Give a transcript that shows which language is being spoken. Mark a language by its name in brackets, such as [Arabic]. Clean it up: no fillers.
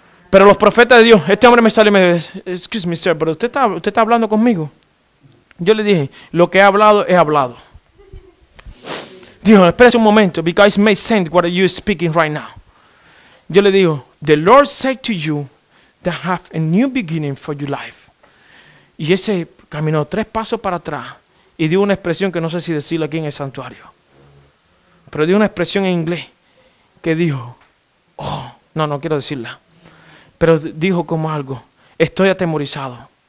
[Spanish] Pero los profetas de Dios, este hombre me sale y me dice: [English] excuse me, sir, [Spanish] pero usted está hablando conmigo. Yo le dije: lo que he hablado, he hablado. Dijo: espérese un momento, [English] because it may sense what you're speaking right now. [Spanish] Yo le digo: [English] the Lord said to you that have a new beginning for your life. [Spanish] Y ese caminó tres pasos para atrás y dio una expresión que no sé si decirlo aquí en el santuario, pero dio una expresión en inglés que dijo, oh, no quiero decirla, pero dijo como algo: estoy atemorizado.